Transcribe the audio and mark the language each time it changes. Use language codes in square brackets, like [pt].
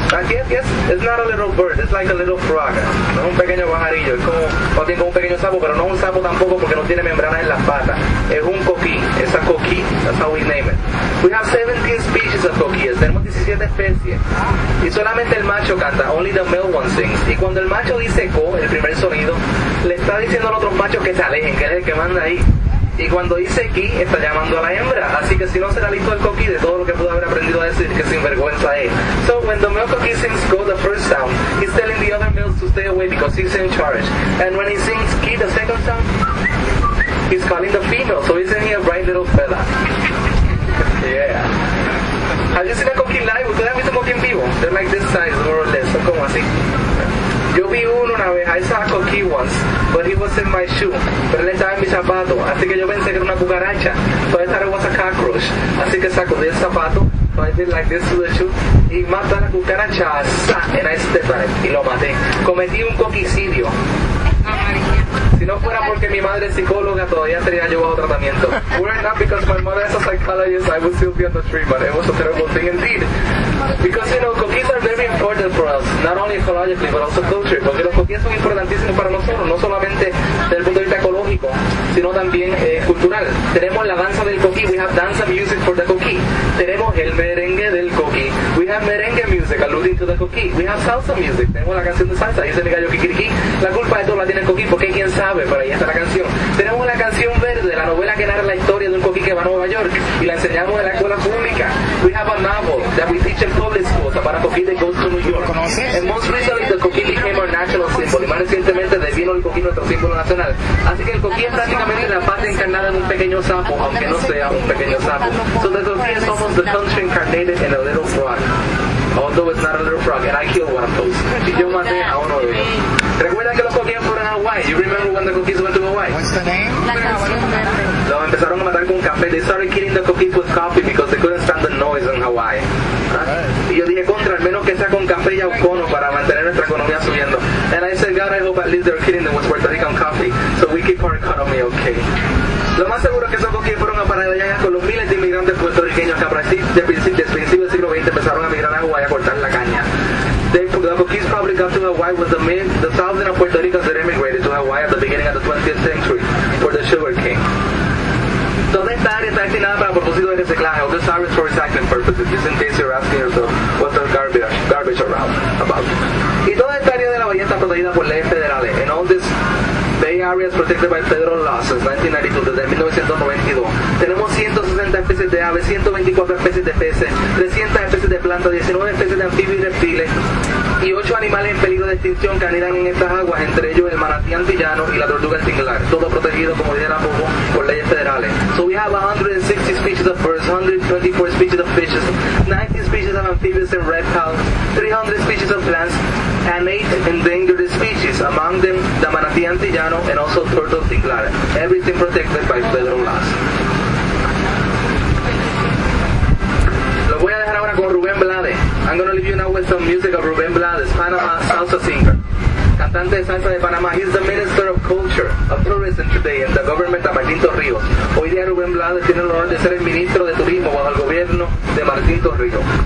[en] Yes, it's not a little bird, it's like a little frog. [es] No es un pequeño pajarillo, es como, más bien como un pequeño sapo, pero no un sapo tampoco porque no tiene membrana en las patas. Es un coquí, [en] es a coquí, that's how we name it. We have 17 species of coquíes, [es] tenemos 17 especies. Y solamente el macho canta, [en] only the male one sings. [es] Y cuando el macho dice co, el primer sonido, le está diciendo a los otros machos que se alejen, que es el que manda ahí. Y cuando dice ki, está llamando a la hembra. Así que si no será listo el coquí de todo lo que pudo haber aprendido a decir, que sinvergüenza es. [en] So when the male coquí sings go the first sound, he's telling the other males to stay away because he's in charge. And when he sings ki the second sound, he's calling the female. So isn't he a bright little fella? Yeah. [es] ¿Has visto a coquí live? ¿Ustedes han visto coquí en vivo? [en] They're like this size, more or less. [es] Son como así. Yo vi uno una vez, [en] I saw a coquí once, [es] but he was in my shoe, pero él estaba en mi zapato, así que yo pensé que era una cucaracha, [en] so I thought it was a cockroach, [es] así que sacudí el zapato, [en] so I did like this to the shoe, [es] y maté a la cucaracha, [en] and I stepped on it, [es] y lo maté. Cometí un coquicidio. Si no fuera porque mi madre es psicóloga, todavía sería yo bajo tratamiento. [en] Were it not because my mother is a psychologist, I would still be on the treatment. It was a terrible thing indeed. Because, you know, coquíes are very important for us, not only ecologically, but also culturally. [es] Porque los coquíes son importantísimos para nosotros, no solamente desde el punto de vista ecológico, sino también cultural. Tenemos la danza del coquí, [en] we have dance and music for the coquí. [es] Tenemos el merengue del coquí. [en] We have merengue music alluding to the coquí. We have salsa music. [es] Tenemos la canción de salsa, dice mi gallo kikiriki. La culpa de todo la tiene el coquí, porque quién sabe, pero ahí está la canción. Tenemos la canción verde, la novela que narra la historia de un coquí que va a Nueva York y la enseñamos en la escuela pública. [en] We have a novel that we teach in public schools about a coquí that goes to New York. And most recently, the coquí became our national symbol. [es] Y más recientemente, devino el coquí nuestro símbolo nacional. Así que el coquí es prácticamente la parte encarnada de un pequeño sapo, aunque no sea un pequeño sapo. [en] So the coquí is almost the country incarnated in a little frog. Although it's not a little frog, and I killed one of those. [es] Y yo maté a uno de ellos. Recuerda que los coquíes fueron a Hawaii. [en] You remember when the coquíes went to Hawaii? What's the name? [es] Los empezaron a matar con café. [en] They started killing the coquíes with coffee because they couldn't stand the noise in Hawaii. [es] Y yo dije, contra, al menos que sea con café y aucono para mantener nuestra economía subiendo. [en] And I said, God, I hope at least they're killing them with Puerto Rican coffee so we keep our economy okay. [es] Lo más seguro es que esos coquíes fueron a parar allá con los miles de inmigrantes puertorriqueños que a partir de principios del siglo XX empezaron a migrar a Hawaii a cortar la caña. [en] The coquíes probably got to Hawaii with the thousands of Puerto Ricans that emigrated to Hawaii at the beginning of the 20th century for the sugar cane. [es] ¿Dónde está área está destinada para propósito de reciclaje? [en] This area is for recycling purposes, just in case you're asking yourself what's the garbage around about. [es] Y toda esta área de la bahía está protegida por leyes federales. [en] And all this Bay Area is protected by federal laws since 1992, [es] desde 1992. Tenemos 160 especies de aves, 124 especies de peces, 300 especies de plantas, 19 especies de anfibios y reptiles, y 8 animales en peligro de extinción que anidan en estas aguas, entre ellos el manatí antillano y la tortuga singular, todo protegido, como dije, por leyes federales. [en] So we have 160 species of birds, 124 species of fishes, 90 species of amphibians and reptiles, 300 species of plants, and 8 endangered species, among them the manatí antillano and also turtle singular, everything protected by federal laws. I'm going to leave you now with some music of Rubén Blades, Panama salsa singer, [es] cantante de salsa de Panamá. [en] He's the Minister of Culture, of Tourism today in the government of Martín Torrijos. [es] Hoy día Rubén Blades tiene el honor de ser el ministro de turismo bajo el gobierno de Martín Torrijos.